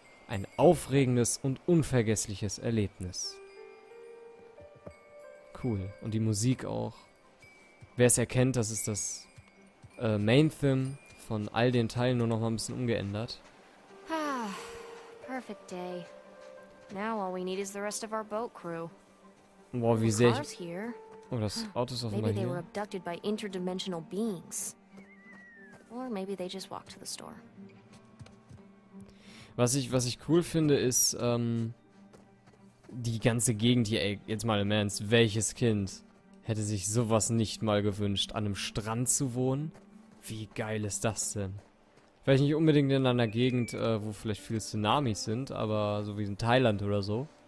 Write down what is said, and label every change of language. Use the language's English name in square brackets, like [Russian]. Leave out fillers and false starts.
[German] Ein aufregendes und unvergessliches Erlebnis. Cool. Und die Musik auch. Wer es erkennt, das ist das Main-Theme von all den Teilen, nur noch mal ein bisschen umgeändert. [English] Ah, perfect day. Now all we need is the rest of our boat crew. [German] Boah, wie sehr ich... Oh, das Auto ist auch mal hier. [English] Were abducted by interdimensional beings. Or maybe they just walked to the store. [German] Was ich cool finde, ist, die ganze Gegend hier, ey, jetzt mal im Ernst, welches Kind hätte sich sowas nicht mal gewünscht, an einem Strand zu wohnen? Wie geil ist das denn? Vielleicht nicht unbedingt in einer Gegend, wo vielleicht viele Tsunamis sind, aber so wie in Thailand oder so.